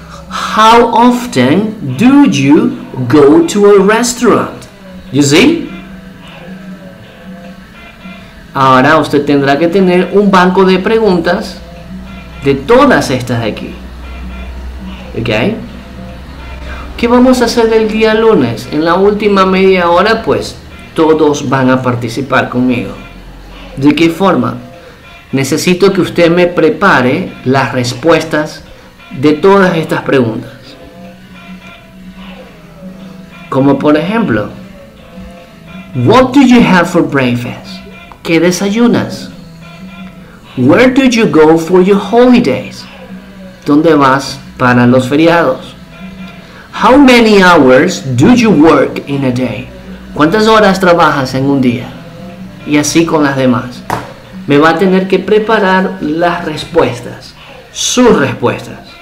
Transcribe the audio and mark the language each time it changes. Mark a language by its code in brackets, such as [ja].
[en] How often do you go to a restaurant? You see? [es] Ahora usted tendrá que tener un banco de preguntas de todas estas aquí. Okay? ¿Qué vamos a hacer el día lunes? En la última media hora, pues, todos van a participar conmigo. ¿De qué forma? Necesito que usted me prepare las respuestas de todas estas preguntas. Como por ejemplo, [en] what do you have for breakfast? [es] ¿Qué desayunas? [en] Where do you go for your holidays? [es] ¿Dónde vas para los feriados? [en] How many hours do you work in a day? [es] ¿Cuántas horas trabajas en un día? Y así con las demás. Me va a tener que preparar las respuestas, sus respuestas.